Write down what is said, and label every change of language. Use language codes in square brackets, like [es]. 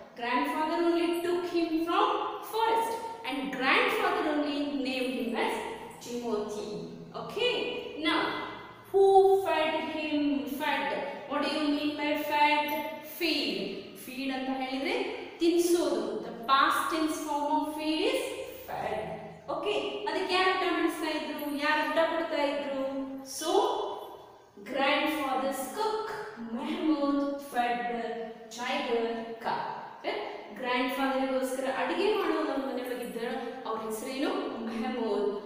[en] Grandfather only took him from forest and grandfather only named him as Timothy. Okay, now who fed him? Fed, what do you mean by fed? Feed. [kn] Feed ಅಂತ ಹೇಳಿದ್ರೆ ತಿನ್ಸೋದು. [en] The past tense form of feed is fed. [kn] Okay, ಅದಕ್ಕೆ ಯಾರು ಊಟ ಮಾಡಿಸ್ತಾ ಇದ್ರು, ಯಾರು ಊಟ ಕೊಡ್ತಾ ಇದ್ರು? [en] So grandfather's cook Mehmood fed the tiger cub. [kn] ಗ್ರ್ಯಾಂಡ್ ಫಾದರ್ಗೋಸ್ಕರ ಅಡುಗೆ ಮಾಡೋ ನಮ್ಮ ಮನೆ ಒಳಗಿದ್ದರು, ಅವ್ರ ಹೆಸರೇನು? ಮೆಹಮೂದ್.